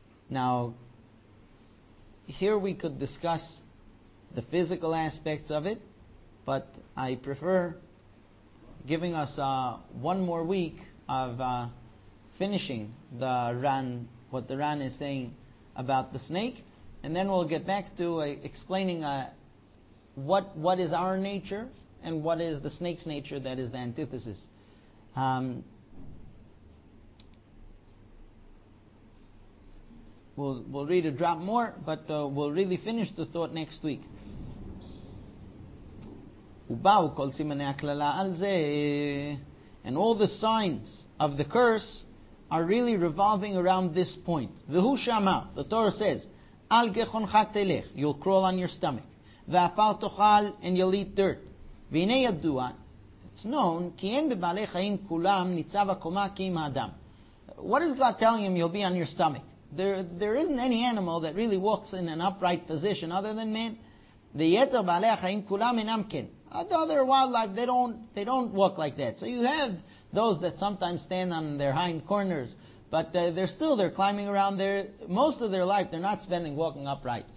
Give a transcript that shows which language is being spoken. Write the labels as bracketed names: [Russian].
[English] Now, here we could discuss the physical aspects of it, but I prefer giving us one more week of finishing the Ran, what the Ran is saying about the snake, and then we'll get back to explaining what is our nature and what is the snake's nature that is the antithesis. We'll read a drop more, but we'll really finish the thought next week. [Hebrew] ובאו כל סימני הכללה על זה. [English] And all the signs of the curse are really revolving around this point. [Hebrew] והוא שמע, [English] the Torah says, [Hebrew] על גחונך תלך, [English] you'll crawl on your stomach. [Hebrew] ואפר תאכל, [English] and you'll eat dirt. [Hebrew] והנה ידוע, [English] it's known, [Hebrew] כי אין בבעלי חיים כולם ניצב הקומה כי עם האדם. [English] What is God telling him you'll be on your stomach? There isn't any animal that really walks in an upright position other than man. [Hebrew] ויתר בעלי החיים כולם אינם כן. [English] The other wildlife, they don't walk like that. So you have those that sometimes stand on their hind corners, but they're climbing around there. Most of their life, they're not spending walking upright.